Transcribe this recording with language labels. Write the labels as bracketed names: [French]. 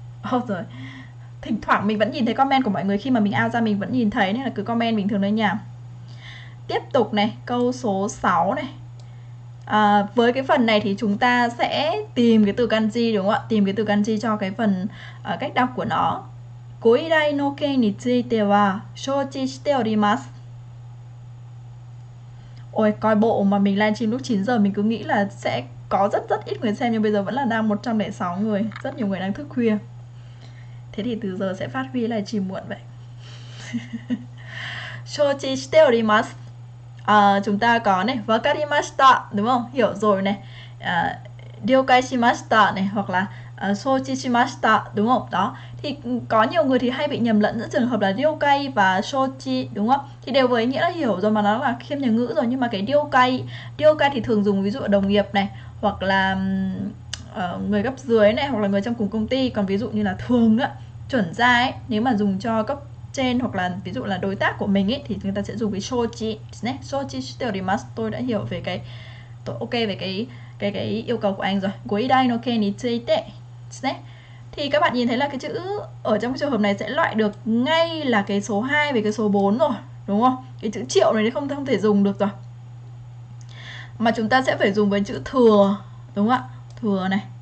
[Vietnamese] Ôi rồi. Thỉnh thoảng mình vẫn nhìn thấy comment của mọi người, khi mà mình out ra mình vẫn nhìn thấy, nên là cứ comment bình thường thôi nha. Tiếp tục này, câu số 6 này. À, với cái phần này thì chúng ta sẽ tìm cái từ kanji, đúng không ạ? Tìm cái từ kanji cho cái phần cách đọc của nó. [Japanese] ご依頼の件については承知しております。 [Vietnamese] Ôi, coi bộ mà mình livestream lúc 9 giờ mình cứ nghĩ là sẽ có rất rất ít người xem, nhưng bây giờ vẫn là đang 106 người, rất nhiều người đang thức khuya. Thế thì từ giờ sẽ phát huy là chỉ muộn vậy. [Japanese] Shochi shite orimasu. [Vietnamese] Chúng ta có này, wakarimashita, đúng không? Hiểu rồi này. Ryokai shimashita này, hoặc là shochi shimashita, đúng không? Đó. Thì có nhiều người thì hay bị nhầm lẫn giữa trường hợp là ryokai cay và shochi, đúng không? Thì đều với nghĩa là hiểu rồi mà nó là khiêm nhường ngữ rồi. Nhưng mà cái ryokai thì thường dùng ví dụ ở đồng nghiệp này, hoặc là người cấp dưới này, hoặc là người trong cùng công ty. Còn ví dụ như là thường á, chuẩn ra ấy, nếu mà dùng cho cấp trên hoặc là ví dụ là đối tác của mình ấy, thì người ta sẽ dùng cái shochi nhé. [Japanese] Shochi shiterimasu. [Vietnamese] Tôi đã hiểu về cái, tôi ok về cái yêu cầu của anh rồi. [Japanese] ご依頼の件について nhé. [Vietnamese] Thì các bạn nhìn thấy là cái chữ ở trong cái trường hợp này sẽ loại được ngay là cái số 2 về cái số 4 rồi, đúng không? Cái chữ triệu này không thể dùng được rồi. Mà chúng ta sẽ phải dùng với chữ thừa, đúng không ạ? Thừa này.